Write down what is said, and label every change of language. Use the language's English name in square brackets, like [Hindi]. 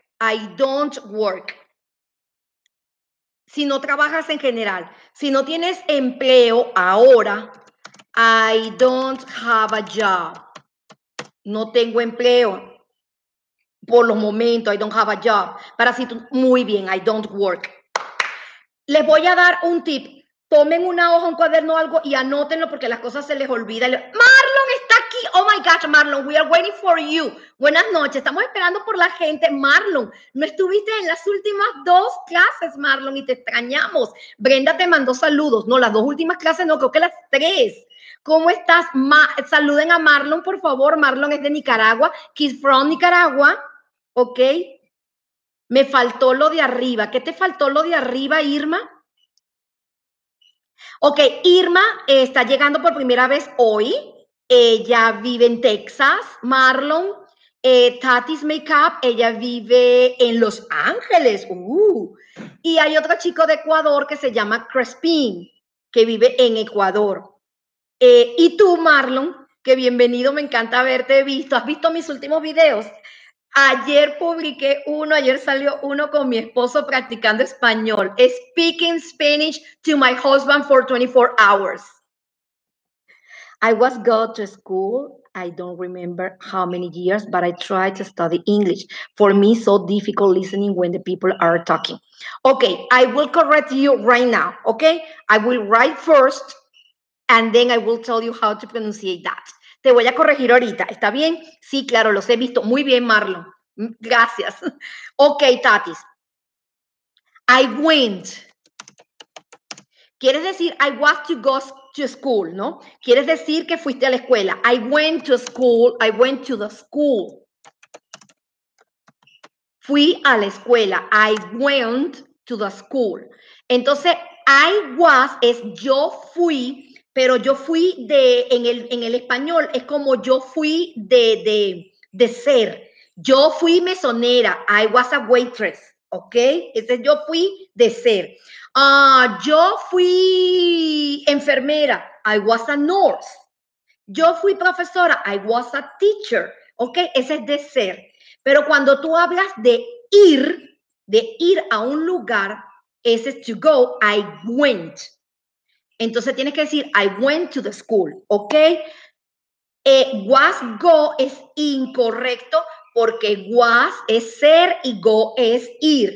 [English] I don't work. [Spanish] Si no trabajas en general, si no tienes empleo ahora, [English] I don't have a job. [Spanish] No tengo empleo por los momentos, [English] I don't have a job. [Spanish] Para si tú, muy bien, [English] I don't work. [Spanish] Les voy a dar un tip. Tomen una hoja, un cuaderno, algo y anótenlo porque las cosas se les olvida. Marlon está aquí. [English] Oh my gosh, Marlon, we are waiting for you. [Spanish] Buenas noches, estamos esperando por la gente. Marlon, no estuviste en las últimas dos clases, Marlon, y te extrañamos. Brenda te mandó saludos. No, las dos últimas clases no, creo que las tres. ¿Cómo estás? Saluden a Marlon, por favor. Marlon es de Nicaragua. [English] He's from Nicaragua. [Spanish] Ok. Me faltó lo de arriba. ¿Qué te faltó lo de arriba, Irma? Ok, Irma está llegando por primera vez hoy. Ella vive en Texas, Marlon. Tatis Makeup, ella vive en Los Ángeles. Y hay otro chico de Ecuador que se llama Crespin, que vive en Ecuador. Y tú, Marlon, que bienvenido, me encanta haberte visto. ¿Has visto mis últimos videos? Ayer publiqué uno, ayer salió uno con mi esposo practicando español. [English] Speaking Spanish to my husband for 24 hours. I was going to school. I don't remember how many years, but I tried to study English. For me, so difficult listening when the people are talking. Okay, I will correct you right now, okay? I will write first, and then I will tell you how to pronunciate that. [Spanish] Te voy a corregir ahorita, ¿está bien? Sí, claro, los he visto. Muy bien, Marlon. Gracias. Okay, Tatis. [English] I went. [Spanish] Quieres decir, [English] I was to go to school, ¿no? [Spanish] Quieres decir que fuiste a la escuela. [English] I went to school. I went to the school. [Spanish] Fui a la escuela. [English] I went to the school. [Spanish] Entonces, I was es yo fui, pero yo fui de, en el español, es como yo fui de ser. Yo fui mesonera. [English] I was a waitress. ¿Ok? [Spanish] Ese yo fui de ser. Yo fui enfermera, [English] I was a nurse. [Spanish] Yo fui profesora, [English] I was a teacher. [Spanish] Ok, ese es de ser. Pero cuando tú hablas de ir a un lugar, ese es to go, I went. Entonces tienes que decir, [English] I went to the school. [Spanish] Ok, was go es incorrecto porque was es ser y go es ir.